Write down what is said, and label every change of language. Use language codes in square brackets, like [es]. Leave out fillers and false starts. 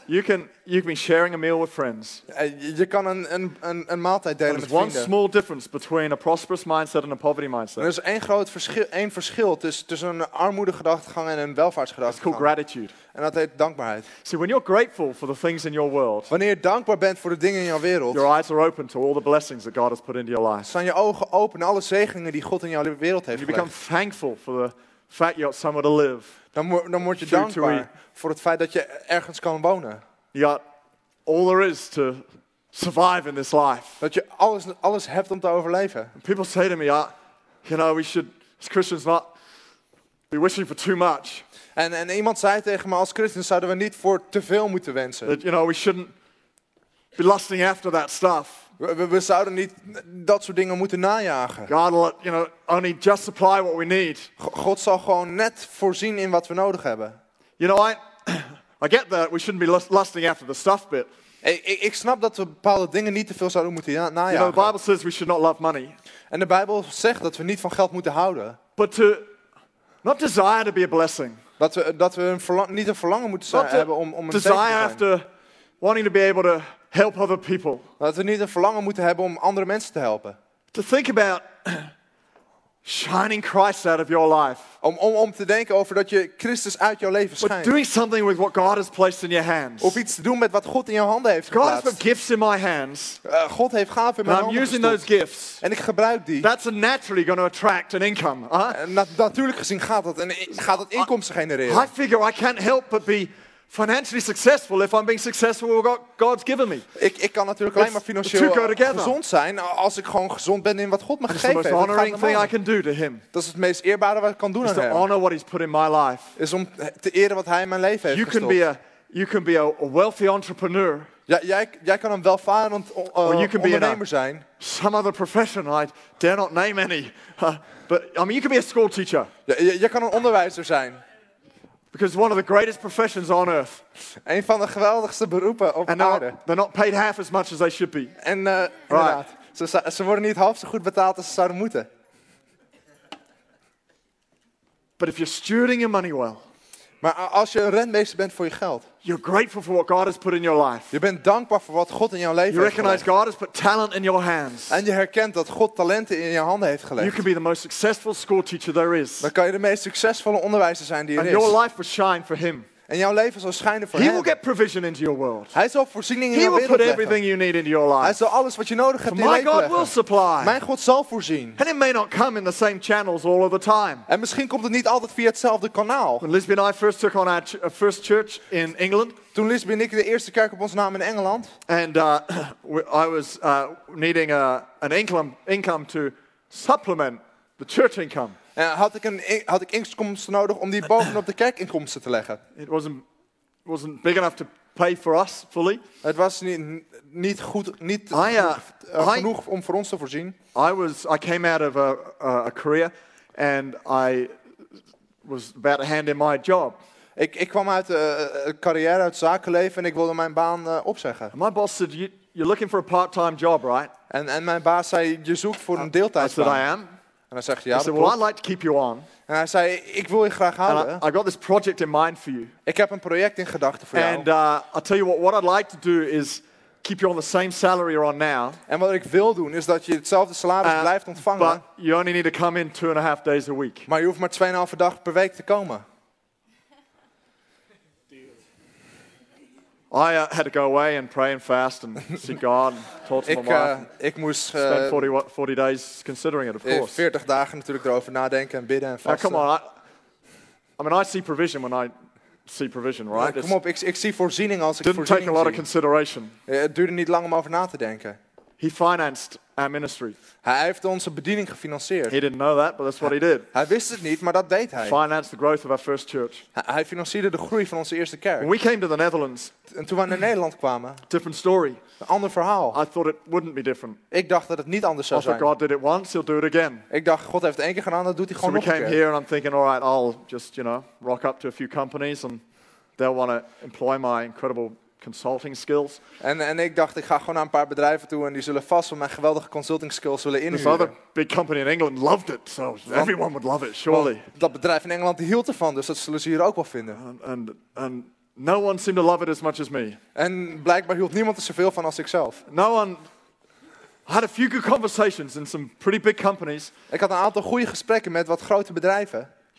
[en] You can be sharing a meal with friends. [nl] Je kan een maaltijd delen met vrienden. [en] One small difference between a prosperous mindset and a poverty mindset. [nl] Er is één verschil tussen een armoedegedachtegang en een welvaartsgedachtegang. [en] It's called gratitude. [nl] En dat heet dankbaarheid. [en] See, when you're grateful for the things in your world. [nl] Wanneer je dankbaar bent voor de dingen in jouw wereld. [en] Your eyes are open to all the blessings that God has put into your life. [nl] Zijn je ogen open naar alle zegeningen die God in jouw wereld heeft gelegd. [en] You become thankful for the fact you got somewhere to live. [nl] Dan word je dankbaar voor het feit dat je ergens kan wonen. [en] You got all there is to survive in this life. [nl] Dat je alles hebt om te overleven. [en] And people say to me, we should as Christians not be wishing for too much. [nl] En iemand zei tegen me, als Christen zouden we niet voor te veel moeten wensen. [en] That, we shouldn't be lusting after that stuff. [nl] We zouden niet dat soort dingen moeten najagen. [en] God will, you know, only just supply what we need. [nl] God zal gewoon net voorzien in wat we nodig hebben. [en] You know, I get that we shouldn't be lusting after the stuff bit. [nl] Ik snap dat we bepaalde dingen niet te veel zouden moeten najagen. [en] You know, the Bible says we should not love money. [nl] En de Bijbel zegt dat we niet van geld moeten houden. [en] But to not desire to be a blessing. [nl] Dat we een niet een verlangen moeten hebben om een zegen te zijn. [en] After wanting to be able to help other people. [nl] Dat we niet een verlangen moeten hebben om andere mensen te helpen. [en] To think about shining Christ out of your life. [nl] Om te denken over dat je Christus uit jouw leven schijnt. [en] But doing something with what God has placed in your hands. [nl] Of iets te doen met wat God in jouw handen heeft geplaatst. [en] God has put gifts in my hands. [nl] God heeft gaven in mijn handen. [en] I'm using those gifts. [nl] En ik gebruik die. [en] That's naturally going to attract an income. [nl] Natuurlijk gezien gaat dat inkomsten genereren. [en] I figure I can't help but be financially successful if I'm being successful with what God's given me. [nl] Ik kan natuurlijk alleen maar financieel gezond zijn als ik gewoon gezond ben in wat God me gegeven heeft. [en] The most honoring thing I can do to him. [nl] Dat is het meest eerbare wat ik kan doen aan hem. [en] To honor what he's put in my life. [nl] Is om te eren wat hij in mijn leven heeft gestopt. [en] You can be a wealthy entrepreneur. [nl] Ja, jij kan een welvarend ondernemer zijn. [en] Some other profession, I dare not name any. But I mean, you can be a school teacher. [nl] Jij kan een onderwijzer zijn. [en] Because one of the greatest professions on earth. [nl] Een van de geweldigste beroepen op [en] and [nl] aarde. [en] They're not paid half as much as they should be. [nl] En [en] right. [nl] Inderdaad. Ze worden niet half zo goed betaald als ze zouden moeten. [en] But if you're stewarding your money well. [nl] Maar als je een rentmeester bent voor je geld. [en] You're grateful for what God has put in your life. [nl] Je bent dankbaar voor wat God in jouw leven [en] you recognize [nl] heeft gelegd. [en] God has put talent in your hands. [nl] En je herkent dat God talenten in je handen heeft gelegd. [en] You can be the most successful school teacher there is. [nl] Dan kan je de meest succesvolle onderwijzer zijn die er [en] and [nl] is. [en] Your life will shine for him. [nl] En jouw leven zal schijnen voor [en] he [nl] hem. [en] Will get provision into your world. [nl] Hij zal voorziening in [en] he [nl] jouw [en] will [nl] wereld [en] put everything [nl] leggen. [en] You need into your life. [nl] Hij zal alles wat je nodig hebt [en] for [nl] in je leven [en] God [nl] leggen. [en] Will supply. [nl] Mijn God zal voorzien. [en] And it may not come in the same channels all of the time. [nl] En misschien komt het niet altijd via hetzelfde kanaal. [en] When Lisby and I first took on our first church in England. [nl] Toen Lisby en ik de eerste kerk op ons nam in Engeland. [en] And I was needing an income to supplement the church income. [nl] En had ik inkomsten nodig om die bovenop de kerkinkomsten te leggen. [en] It wasn't big enough to pay for us fully. [nl] Het was niet genoeg om voor ons te voorzien. [en] I came out of a career and I was about to hand in my job. [nl] Ik kwam uit een carrière, uit zakenleven en ik wilde mijn baan opzeggen. [en] My boss said, you're looking for a part-time job, right? [nl] En mijn baas zei, je zoekt voor een deeltijdsbaan. [en] I said, I am. [nl] En hij zegt, ja, [en] said, well, I'd like to keep you on. [nl] En hij zei, ik wil je graag houden. [en] I got this project in mind for you. [nl] Ik heb een project in gedachten voor jou. [en] And I'll tell you what I'd like to do is keep you on the same salary you're on now. [nl] En wat ik wil doen is dat je hetzelfde salaris blijft ontvangen. [en] But you only need to come in 2.5 days a week. [nl] Maar je hoeft maar 2.5 dag per week te komen. [en] I had to go away and pray and fast and seek God and talk to my wife. [nl] Ik moest [en] spend 40 days considering it, of course. [nl] 40 dagen natuurlijk erover nadenken en bidden en vasten. [en] Come on, I see provision when I see provision, right? [nl] Kom op, ik zie voorziening als ik voorziening zie. [en] Didn't take a lot of consideration. [nl] Het duurde niet lang om over na te denken. [en] He financed our ministry. [nl] Hij heeft onze bediening gefinancierd. [en] He didn't know that, but that's what he did. [nl] Hij wist het niet, maar dat deed hij. [en] Financed the growth of our first church. [nl] Hij financierde de groei van onze eerste kerk. [en] When we came to the Netherlands. [nl] En toen we naar Nederland kwamen. [en] Different story. [nl] Een ander verhaal. [en] I thought it wouldn't be different. [nl] Ik dacht dat het niet anders zou zijn. [en] After God did it once, he'll do it again. [nl] Ik dacht, God heeft het één keer gedaan, dat doet hij gewoon [en] so [nl] nog een keer. [en] So we came here and I'm thinking, all right, I'll just, you know, rock up to a few companies and they'll want to employ my incredible consulting skills. [nl] En ik dacht, ik ga gewoon naar een paar bedrijven toe en die zullen vast van mijn geweldige consulting skills willen inhuren. [en] This other big company in England loved it, so everyone would love it, surely. [nl] Well, dat bedrijf in Engeland hield ervan, dus dat zullen ze hier ook wel vinden. [en] And no one seemed to love it as much as me. [nl] En blijkbaar hield niemand er zoveel van als ikzelf. [en] No one. I had a few good conversations in some pretty big companies. [nl] Ik had een aantal goede gesprekken met wat grote bedrijven.